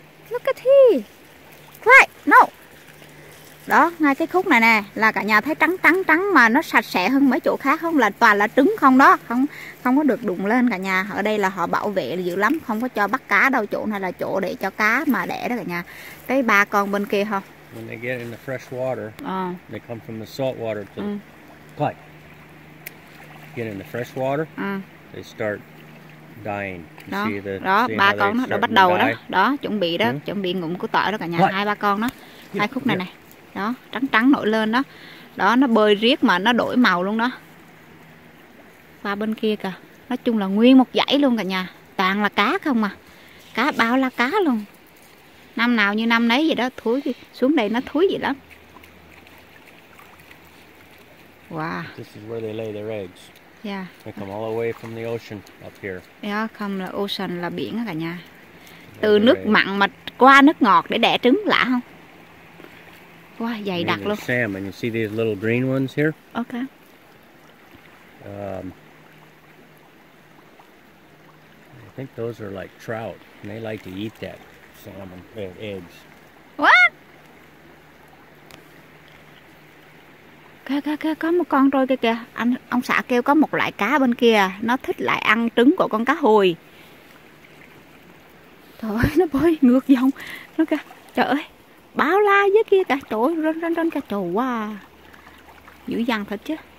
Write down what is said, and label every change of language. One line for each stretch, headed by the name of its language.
English: Look at he. Why? No.
Vietnamese: Đó, ngay cái khúc này nè, là cả nhà thấy trắng mà nó sạch sẽ hơn mấy chỗ khác không? Là toàn là trứng không đó, không có được đụng lên cả nhà. Ở đây là họ bảo vệ dữ lắm, không có cho bắt cá đâu. Chỗ này là chỗ để cho cá mà đẻ đó cả nhà. Cái ba con bên kia không?
English: When they get in the fresh water, they come from the salt water to play. Get in the fresh water, they start dying.
Vietnamese: Đó, ba con nó bắt đầu đó, đó chuẩn bị đó, chuẩn bị ngụm của tỏi đó cả nhà. Hai ba con đó, hai khúc này này, đó trắng nổi lên đó, đó nó bơi riết mà nó đổi màu luôn đó. Qua bên kia kìa, nói chung là nguyên một dãy luôn cả nhà, toàn là cá không à, cá bao la cá luôn. Năm nào như năm nấy vậy đó, thúi xuống đây nó thúi vậy lắm.
English: Wow. This is where they lay their eggs. Yeah. They come all the way from the ocean up here.
Vietnamese: Yeah, come là ocean là biển cả nhà. Từ nước mặn mà qua nước ngọt để đẻ trứng, lạ không? Wow, dày đặc luôn.
English: Salmon. You see these little green ones here? Okay. I think those are like trout, and they like to eat that salmon eggs. What?
Vietnamese: Có một con trôi kìa, anh ông xã kêu có một loại cá bên kia, nó thích lại ăn trứng của con cá hồi. Trời ơi, nó bơi ngược dòng, nó kìa, trời ơi, bao la dưới kia cả trời, run run run cả trời quá. Dữ dằn thật chứ.